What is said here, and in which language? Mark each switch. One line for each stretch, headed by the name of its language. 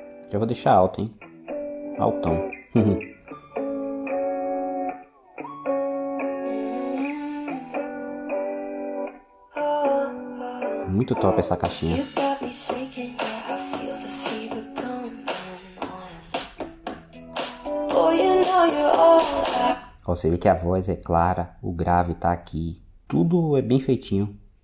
Portuguese: Já vou deixar alto, hein? Altão. Muito top essa caixinha.
English: shaking, yeah, I feel the fever coming on. Boy, you know you're all I...
Portuguese: Você vê que a voz é clara, o grave tá aqui, tudo é bem feitinho.